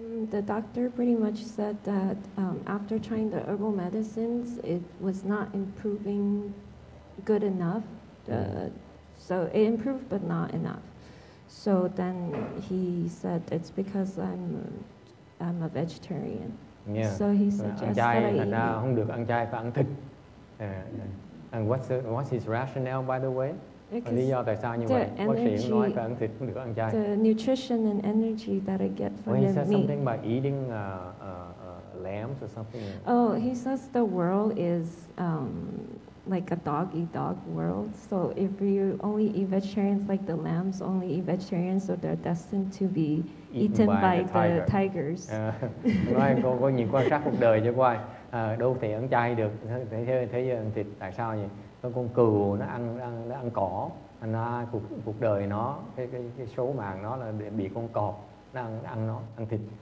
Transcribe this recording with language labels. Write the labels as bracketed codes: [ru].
[en] The doctor pretty much said that after trying the herbal medicines, it was not improving good enough. So it improved, but not enough. So then he said it's because I'm a vegetarian. Yeah. So he suggested [vi] ăn chay, thành ra không được ăn chay phải ăn thịt. [en] And what's his rationale, by the way? [vi] Lý do tại sao như vậy? Bác sĩ nói phải ăn thịt cũng được ăn chay. [en] The nutrition and energy that I get from the meat. Well, he said something about eating lambs or something. Oh, he says the world is like a dog eat dog world. So if you only eat vegetarians, like the lambs only eat vegetarians, so they're destined to be eaten by the tigers. [vi] Nói cô nhìn quan sát cuộc đời cho cô ơi. Đâu thể ăn chay được, thế giờ ăn thịt tại sao vậy? Con cừu nó ăn cỏ, nó cuộc đời nó cái số mạng nó là bị con cọp nó ăn thịt.